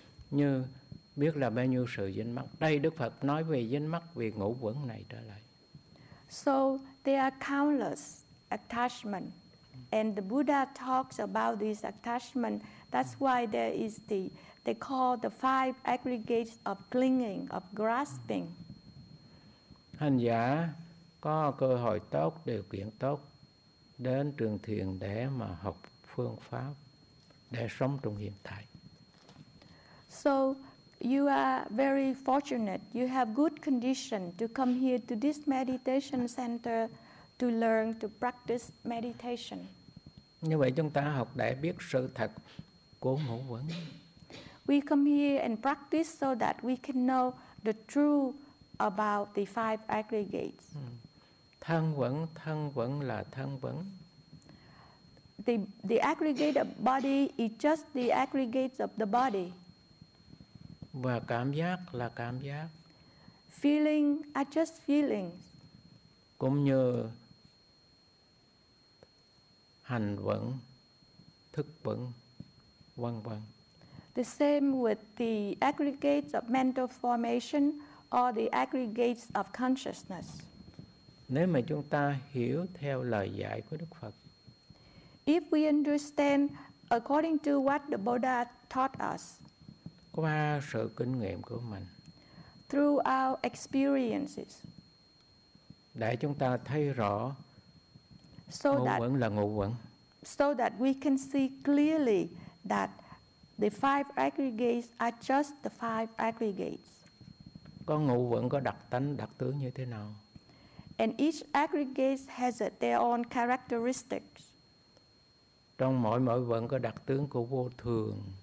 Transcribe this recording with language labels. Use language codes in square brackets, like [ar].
[vi] Như biết là bao nhiêu sự dính mắc. Đây Đức Phật nói về dính mắc về ngũ uẩn này trở lại. [en] So there are countless attachment, and the Buddha talks about this attachment. That's why there is they call the five aggregates of clinging, of grasping. [vi] Hành giả có cơ hội tốt, điều kiện tốt đến trường thiền để mà học phương pháp để sống trong hiện tại. [en] So you are very fortunate. You have good condition to come here to this meditation center to learn to practice meditation. [vi] Như vậy chúng ta học để biết sự thật của ngũ uẩn. [en] We come here and practice so that we can know the truth about the five aggregates. [vi] Thân uẩn là thân uẩn. [en] The aggregate of body is just the aggregates of the body. [vi] Và cảm giác là cảm giác. [en] Feeling are just feelings. [vi] Cũng như hành vẩn, thức vẩn, vân vân. [en] The same with the aggregates of mental formation or the aggregates of consciousness. [vi] Nếu mà chúng ta hiểu theo lời dạy của Đức Phật, [en] if we understand according to what the Buddha taught us, [vi] qua sự kinh nghiệm của mình, [en] through our experiences, [vi] để chúng ta thấy rõ ngũ uẩn là ngũ uẩn, [en] so that we can see clearly that the five aggregates are just the five aggregates. [vi] Có ngũ uẩn có đặc tánh đặc tướng như thế nào? [en] And each aggregate has their own characteristics. [vi] Trong mỗi mỗi vẫn có đặc tướng của vô thường.